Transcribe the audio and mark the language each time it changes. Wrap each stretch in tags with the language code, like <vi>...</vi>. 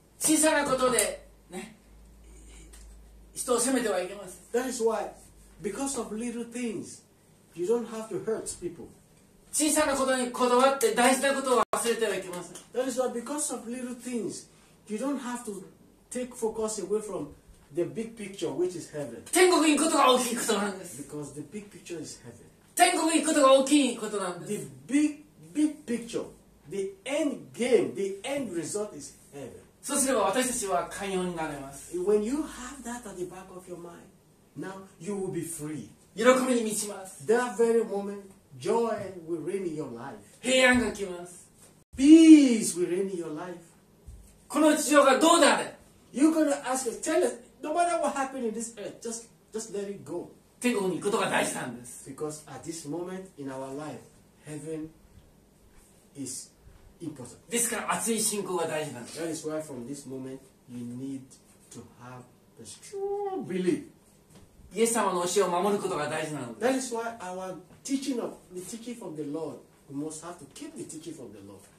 <ja>小さなことでね、人を責めてはいけません。</ja> <en>That is why, because of little things, you don't have to hurt people.</en> <ja>小さなことにこだわって大事なことを忘れてはいけません。</ja> <en>That is why because of little things, you don't have to take focus away from the big picture, which is heaven.</en> <ja>天国に行くことが大きいことなんです。</ja> <en>Because the big picture is heaven.</en> <ja>天国に行くことが大きいことなんです。</ja> <en>The big picture, the end game, the end result is heaven.</en> <ja>そうすれば私たちは寛容になれます。</ja> <en>When you have that at the back of your mind, now you will be free.</en> <ja>喜びに満ちます。</ja> <en>That very moment,Joy will reign in your life.</en> <ja>平安が来ます。</ja> <en>Peace will reign in your life.</en> <ja>この地上がどうなる?</ja> <en>You're gonna ask us, tell us, no matter what happened in this earth, just let it go.</en> <ja>天国に行くことが大事なんです。</ja> <en>Because at this moment in our life, heaven is important.</en> <ja>ですから熱い信仰が大事なんです。</ja> <en>That is why from this moment, you need to have the strong belief.</en> <ja>イエス様の教えを守ることが大事なのです。</ja> <en>That is why our teaching from the Lord, we must have to keep the teaching from the Lord.</en>